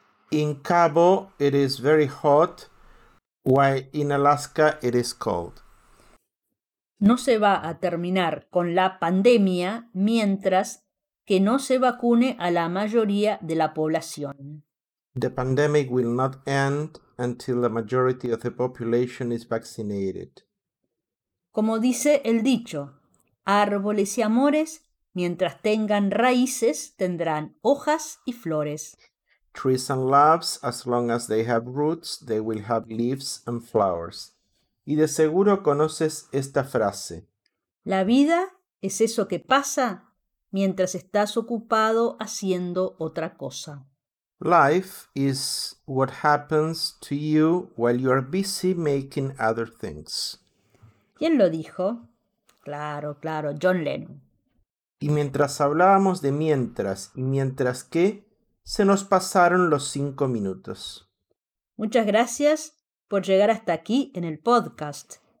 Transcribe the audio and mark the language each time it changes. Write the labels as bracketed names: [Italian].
[English] In Cabo it is very hot, while in Alaska it is cold. [Spanish] No se va a terminar con la pandemia mientras que no se vacune a la mayoría de la población. [English] The pandemic will not end until the majority of the population is vaccinated. [Spanish] Como dice el dicho, árboles y amores, mientras tengan raíces, tendrán hojas y flores. [English] Trees and loves, as long as they have roots, they will have leaves and flowers. [Spanish] Y de seguro conoces esta frase. La vida es eso que pasa mientras estás ocupado haciendo otra cosa. [English] Life is what happens to you while you are busy making other things. [Spanish] ¿Quién lo dijo? Claro, claro, John Lennon. Y mientras hablábamos de mientras y mientras que, se nos pasaron los 5 minutos. Muchas gracias por llegar hasta aquí en el podcast.